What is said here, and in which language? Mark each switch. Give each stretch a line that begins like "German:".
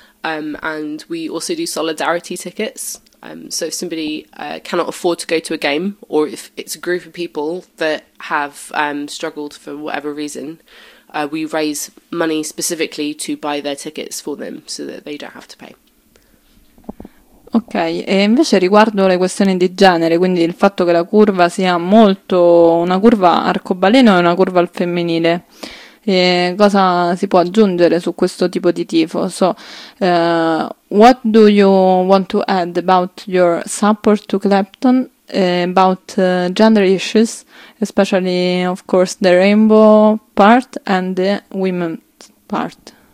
English: And we also do solidarity tickets. So if somebody cannot afford to go to a game, or if it's a group of people that have struggled for whatever reason, we raise money specifically to buy their tickets for them so that they don't have to pay.
Italian: Ok, e invece riguardo le questioni di genere, quindi il fatto che la curva sia molto una curva arcobaleno e una curva al femminile, e cosa si può aggiungere su questo tipo di tifo?
English: So, what do you want to add about your support to Clapton? about gender issues, especially, of course, the rainbow part and the women's part.